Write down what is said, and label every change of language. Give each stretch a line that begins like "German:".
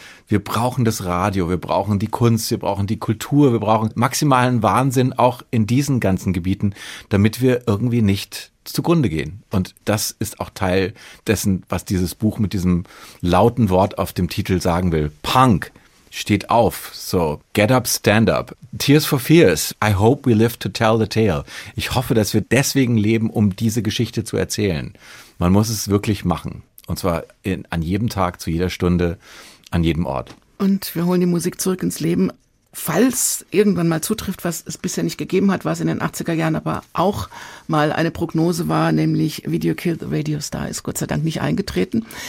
German: Wir brauchen das Radio, wir brauchen die Kunst, wir brauchen die Kultur, wir brauchen maximalen Wahnsinn auch in diesen ganzen Gebieten, damit wir irgendwie nicht zugrunde gehen. Und das ist auch Teil dessen, was dieses Buch mit diesem lauten Wort auf dem Titel sagen will. Punk. Steht auf, so,
English: get up, stand up. Tears for Fears, I hope we live to tell the tale.
German: Ich hoffe, dass wir deswegen leben, um diese Geschichte zu erzählen. Man muss es wirklich machen. Und zwar an jedem Tag, zu jeder Stunde, an jedem Ort. Und wir holen die Musik zurück ins Leben. Falls irgendwann mal zutrifft, was es bisher nicht gegeben hat, was in den 80er Jahren aber auch mal eine Prognose war, nämlich Video Killed the Radio Star, ist Gott sei Dank nicht eingetreten.